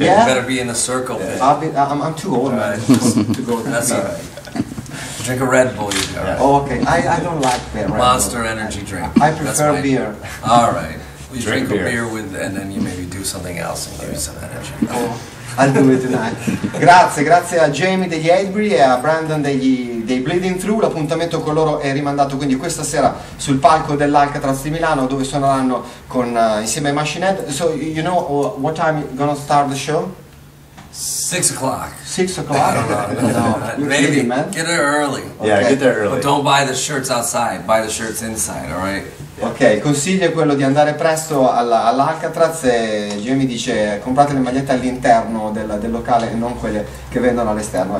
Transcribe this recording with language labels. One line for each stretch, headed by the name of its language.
English: You better be in the circle pit. I'm too old, man, to go to the pit. That's all right. Drink a Red Bull, you guys. Oh, okay. I don't like that Red Bull. Monster energy drink. I prefer beer. All right. You drink a beer with, and then you maybe do something else and give you some energy. Oh, I'll do it tonight.
Italian: Grazie a Jamie degli Edbury e a Brandon dei Bleeding Through. L'appuntamento con loro è rimandato quindi questa sera sul palco dell'Alcatraz di Milano, dove suoneranno insieme ai Machine Head.
English: So you know what time you're gonna start the show? 6 o'clock. 6 o'clock? I don't know. No, maybe. Kidding, get there early. Okay. Yeah, get there early. But don't buy the shirts outside, buy the shirts inside, all right?
Italian: Ok, il consiglio è quello di andare presto all'Alcatraz e Jamie dice comprate le magliette all'interno del locale e non quelle che vendono all'esterno.